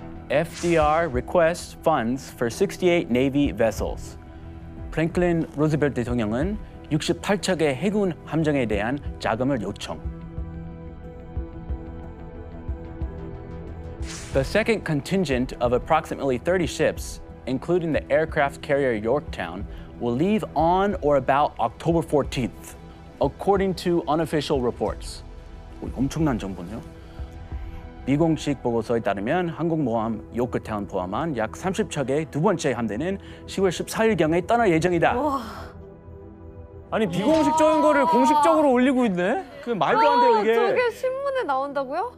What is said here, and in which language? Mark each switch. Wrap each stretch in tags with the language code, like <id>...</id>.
<en>FDR requests funds for 68 Navy vessels.</en> <ko>프랭클린 루즈벨트 대통령은 68척의 해군 함정에 대한 자금을 요청.</ko> <en>The second contingent of approximately 30 ships, including the aircraft carrier Yorktown, will leave on or about October 14th, according to unofficial reports.</en> <ko>엄청난 정보네요. 비공식 보고서에 따르면 항공모함 요크타운 포함한 약 30척의 두 번째 함대는 10월 14일경에 떠날 예정이다. 우와. 아니 비공식적인 거를 공식적으로 올리고 있네? 그 말도 안 돼요 이게. 저게 신문에 나온다고요?</ko>